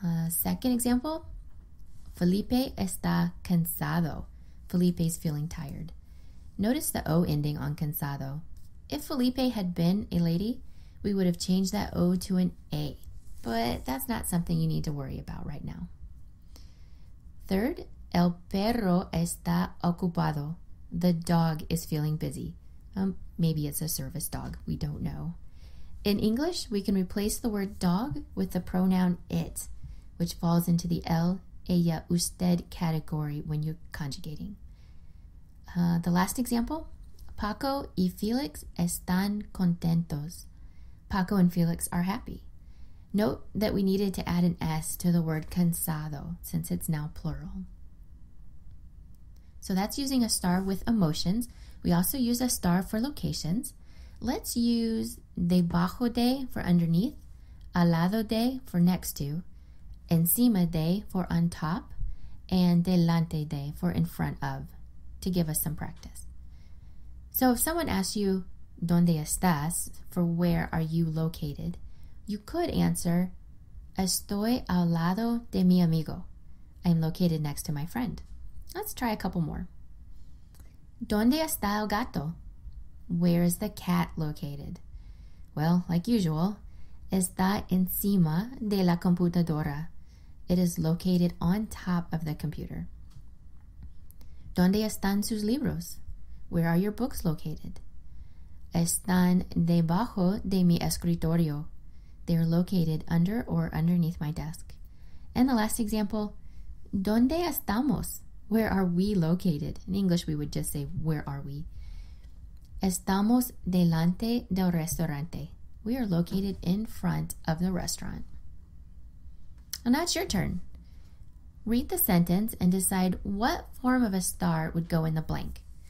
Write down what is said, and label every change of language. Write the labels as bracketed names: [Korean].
[English] Second example, Felipe [Spanish] está cansado. [English] Felipe is feeling tired. Notice the O ending on cansado. If Felipe had been a lady, we would have changed that O to an A, but that's not something you need to worry about right now. Third, [Spanish] el perro está ocupado. [English] The dog is feeling busy. Maybe it's a service dog. We don't know. In English, we can replace the word dog with the pronoun it, which falls into the él, ella, usted category when you're conjugating. The last example, Paco [Spanish] y Felix están contentos. [English] Paco and Felix are happy. Note that we needed to add an S to the word cansado since it's now plural. So that's using estar with emotions. We also use estar for locations. Let's use debajo de for underneath, al lado de for next to, encima de for on top, and delante de for in front of to give us some practice. So if someone asks you, [Spanish] ¿Dónde estás? [English] For where are you located? You could answer, [Spanish] Estoy al lado de mi amigo. [English] I'm located next to my friend. Let's try a couple more. [Spanish] ¿Dónde está el gato? [English] Where is the cat located? Well, like usual, [Spanish] está encima de la computadora. [English] It is located on top of the computer. [Spanish] ¿Dónde están sus libros? [English] Where are your books located? [Spanish] Están debajo de mi escritorio. [English] They are located under or underneath my desk. And the last example, [Spanish] ¿dónde estamos? [English] Where are we located? In English, we would just say, where are we? [Spanish] Estamos delante del restaurante. [English] We are located in front of the restaurant. And that's your turn. Read the sentence and decide what form of a star would go in the blank.